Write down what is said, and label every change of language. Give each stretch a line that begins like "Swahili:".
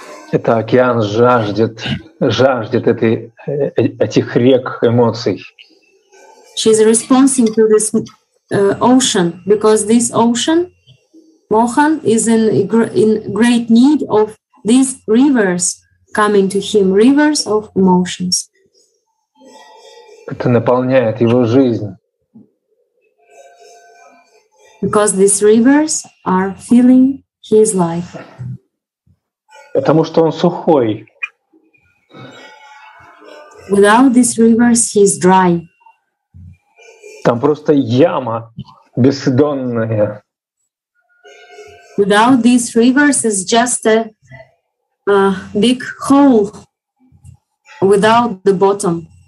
Russian: Это океан жаждет этих рек эмоций.
English: She's responding to this ocean because this ocean, Mohan, is in great need of these rivers coming to him, rivers of emotions.
Russian: Это наполняет его жизнь.
English: Because these rivers are filling his life.
Russian: Потому что он сухой.
English: Without these rivers, he's dry.
Russian: Там просто яма бездонная.
English: Without these rivers is just a big hole without the bottom,